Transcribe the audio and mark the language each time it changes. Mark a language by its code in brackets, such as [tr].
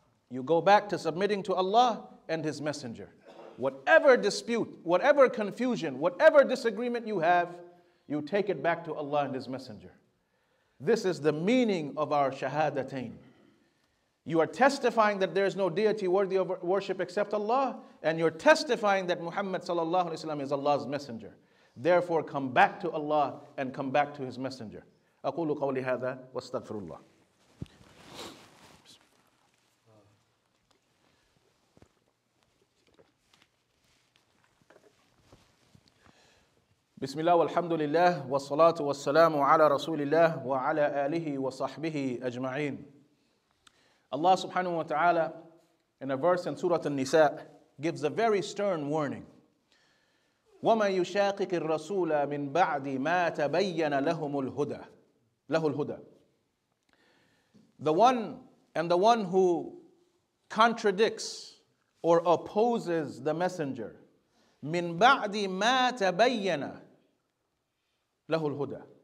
[en] You go back to submitting to Allah and His Messenger. Whatever dispute, whatever confusion, whatever disagreement you have, you take it back to Allah and His Messenger. This is the meaning of our shahadatain. You are testifying that there is no deity worthy of worship except Allah, and you're testifying that Muhammad sallallahu alaihi wasallam is Allah's messenger. Therefore, come back to Allah and come back to His Messenger. [ar] أقول قولي هذا واستغفر الله. بسم الله والحمد لله والصلاة والسلام على رسول الله وعلى آله وصحبه أجمعين. [en] Allah subhanahu wa ta'ala, in a verse in Surah An-Nisa, gives a very stern warning. [ar] وَمَنْ يُشَاقِقِ الرَّسُولَ مِنْ بَعْدِ مَا تَبَيَّنَ لَهُمُ الْهُدَى لَهُ الْهُدَى. [en] The one who contradicts or opposes the messenger, [ar] مِنْ بَعْدِ مَا تَبَيَّنَ لَهُ الْهُدَى.